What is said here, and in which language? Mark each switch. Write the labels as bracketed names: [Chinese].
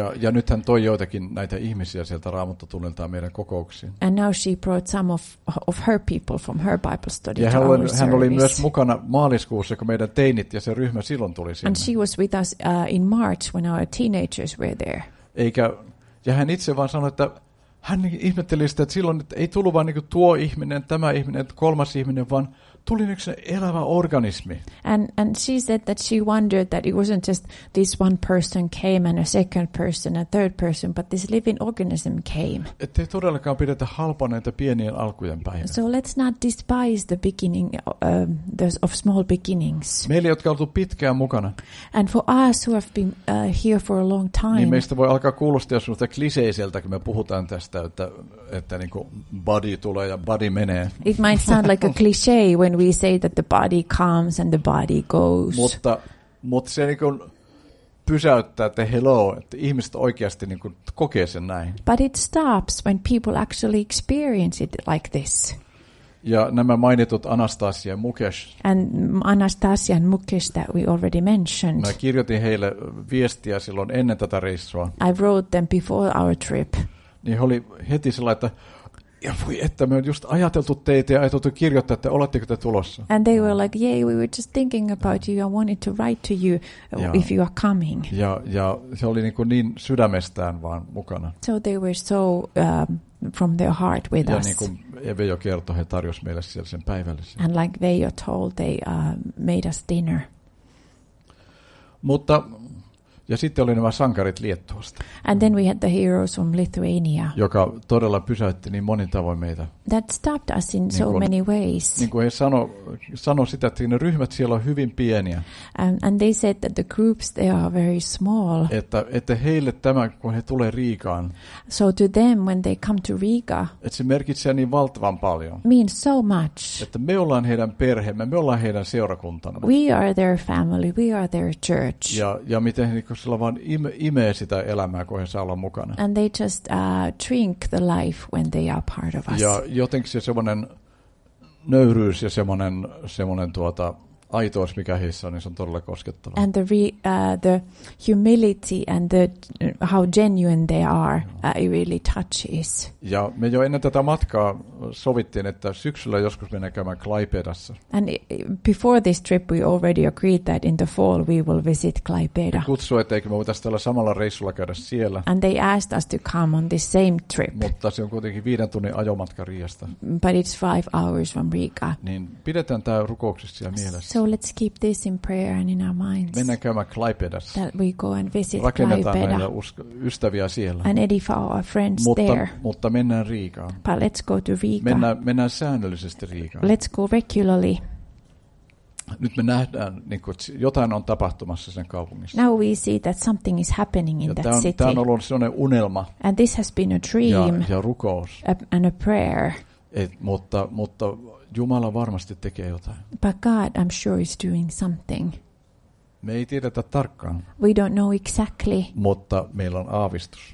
[Finnish] Ja nyt hän toi joitakin näitä ihmisiä sieltä raamattotunnilta meidän kokouksiin. [English] And now she brought some of her people from her Bible study [Finnish] ja [English] to our service. [Finnish] Ja hän oli myös mukana maaliskuussa, kun meidän teinit ja se ryhmä silloin tuli sinne. [English] And she was with us in March when our teenagers were there. [Finnish] Ja hän itse vaan sanoi, että hän ihmetteli sitä, että silloin että ei tullut vain niin kuin tuo ihminen, tämä ihminen, kolmas ihminen, vaan tuli yksi elävä organismi. [English] And she said that she wondered that it wasn't just this one person came and a second person and a third person, but this living organism came. [Finnish] Että ei todellakaan pidetä halpaa näitä pienien alkujen päivänä. [English] So let's not despise the beginning of small beginnings. [Finnish] Meille, jotka oltu pitkään mukana. [English] And for us who have been here for a long time. [Finnish] Niin meistä voi alkaa kuulostaa sellaista kliseiseltä, kun me puhutaan tästä, että niin kuin body tulee ja body menee. [English] It might sound like a cliche when we say that the body comes and the body goes. [Finnish] Mutta se niin kuin pysäyttää, että hello, että ihmiset oikeasti niin kuin kokee sen näin. [English] But it stops when people actually experience it like this. [Finnish] Ja nämä mainitut Anastasia ja Mukesh. [English] And Anastasia and Mukesh that we already mentioned. [Finnish] Mä kirjoitin heille viestiä silloin ennen tätä reissua. [English] I wrote them before our trip. [Finnish] Niin he oli heti sillä, että ja voi että me on just ajateltu teitä ja ajateltu kirjoittaa, että oletteko te tulossa. [English] And they were like, yay, we were just thinking about you. I wanted to write to you if you are coming. [Finnish] Ja se oli niin kuin niin sydämestään vaan mukana. [English] So they were so from their heart with [Finnish] ja [English] us. [Finnish] Ja niin kuin Veijo kertoi, he tarjosi meille siellä sen päivällisen. [English] And like Veijo told, they made us dinner. [Finnish] Mutta ja sitten oli nämä sankarit Liettuasta. [English] And then we had the heroes from Lithuania. [Finnish] Joka todella pysäytti niin monin tavoin meitä. [English] That stopped us in so many ways. [Finnish] Niin kuin he sanoi sitä, että ne ryhmät siellä on hyvin pieniä. [English] And they said that the groups they are very small. [Finnish] Että heille tämä, kun he tulee Riikaan. [English] So to them when they come to Riga. [Finnish] Että se merkitsee niin valtavan paljon. [English] Means so much. [Finnish] Että me ollaan heidän perheemme, me ollaan heidän seurakuntana. [English] We are their family, we are their church. [Finnish] Ja miten he kun sillä vaan imee sitä elämää, kun he saa olla mukana. [English] And they just drink the life when they are part of us. [Finnish] Ja jotenkin se semmoinen nöyryys ja semmoinen aitous, mikä heissä on, niin se on todella koskettava. [English] And the humility and the how genuine they are, it really touches. [Finnish] Ja me jo ennen tätä matkaa sovittiin, että syksyllä joskus mennään käymään Klaipedassa. [English] And before this trip we already agreed that in the fall we will visit Klaipeda. [Finnish] He kutsui, että eikö me voitaisiin tällä samalla reissulla käydä siellä. [English] And they asked us to come on this same trip. [Finnish] Mutta se on kuitenkin 5 tunnin ajomatka Riiasta. [English] But it's 5 hours from Riga. [Finnish] Niin pidetään tämä rukouksessa siellä mielessä. [English] So let's keep this in prayer and in our minds. [Finnish] Mennään käymään Klaipedassa. [English] That we go and visit Klaipeda. [Finnish] Rakennetaan meidän ystäviä siellä. [English] And edify our friends there. [Finnish] Mutta mennään Riikaan. [English] But let's go to Riga. [Finnish] Mennään säännöllisesti Riikaan. [English] Let's go regularly. [Finnish] Nyt me nähdään, niin kuin, että jotain on tapahtumassa sen kaupungissa. [English] Now we see that something is happening in that city. [Finnish] Tämä on ollut sellainen unelma. [English] And this has been a dream. [Finnish] Ja rukous. [English] And a prayer. [Finnish] Mutta Jumala varmasti tekee jotain. [English] But God, I'm sure, is doing something. [Finnish] Me ei tiedetä tarkkaan. [English] We don't know exactly. [Finnish] Mutta meillä on aavistus.